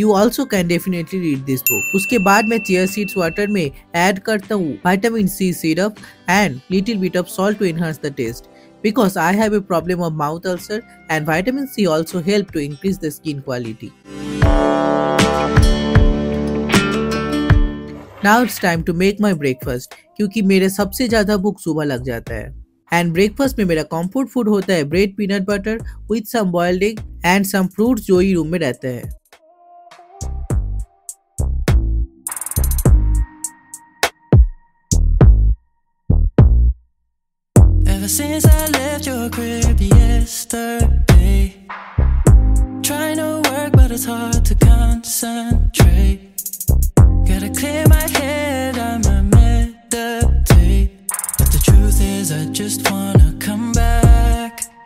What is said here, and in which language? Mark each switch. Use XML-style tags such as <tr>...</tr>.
<en>You also can definitely read this book.</en> <hi>उसके बाद मैं chia seeds water में add करता हूँ</hi> <en>vitamin C syrup and little bit of salt to enhance the taste. Because I have a problem of mouth ulcer and vitamin C also help to increase the skin quality. Now it's time to make my breakfast.</en> <hi>क्योंकि मेरे सबसे ज्यादा भूख सुबह लग जाता है। And breakfast में मेरा कॉम्फर्ट फूड होता है bread peanut butter</hi> <en>with some boiled egg and some fruits</en> <hi>जो ही रूम में रहते हैं।</hi> <en>Ever since I left your crib yesterday, trying to work but it's hard to concentrate. Gotta clear my head, I'm a meditate. Truth is, I just wanna come back.</en>